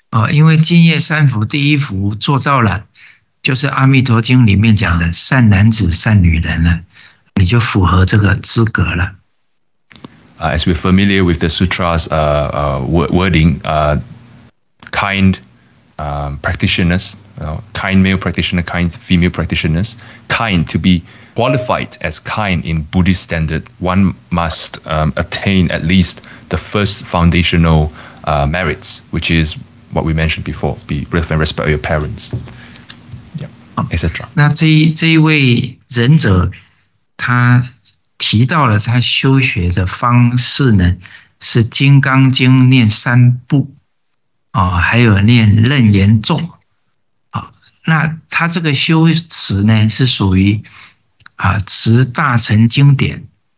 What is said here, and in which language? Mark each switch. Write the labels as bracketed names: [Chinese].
[Chinese] 因为净业三福第一福做到了，就是阿弥陀经里面讲的善男子善女人了，你就符合这个资格了。 [English] As we're familiar with the sutras, kind, practitioners, kind male practitioner, kind female practitioners, kind to be. Qualified as kind in Buddhist standard, one must attain at least the first foundational merits, which is what we mentioned before, be with and respect your parents, etc. [Chinese] 那这一位仁者他提到了他修学的方式呢，是金刚经念三部，还有念楞严咒，那他这个修持呢是属于持大乘经典，